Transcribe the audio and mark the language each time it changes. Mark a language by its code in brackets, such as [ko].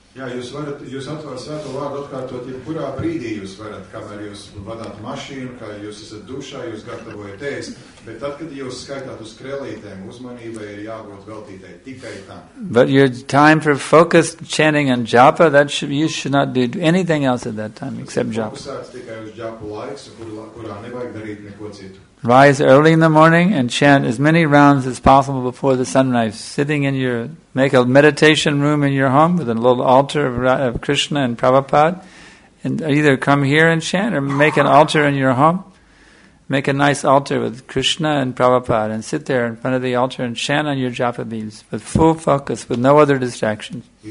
[lv] Yeah, jūs atvarat svēto vārdu atkārtot, jebkurā brīdī jūs varat, kamēr jūs vadāt mašīnu, kā jūs esat dušā, jūs gatavojat ēst. Bet tad, kad jūs skaitāt uz krēlītēm, uzmanībai ir jābūt veltītai tikai tam. [en] But your time for focused chanting on japa, you should not do anything else at that time, except japa. [lv] Fokusēts tikai uz japu laiks, kurā nevajag darīt neko citu. [en] Rise early in the morning and chant as many rounds as possible before the sunrise. Sitting in your, make a meditation room in your home with a little altar of Krishna and Prabhupada. And either come here and chant or make an altar in your home. Make a nice altar with Krishna and Prabhupada and sit there in front of the altar and chant on your japa beads with full focus, with no other distractions.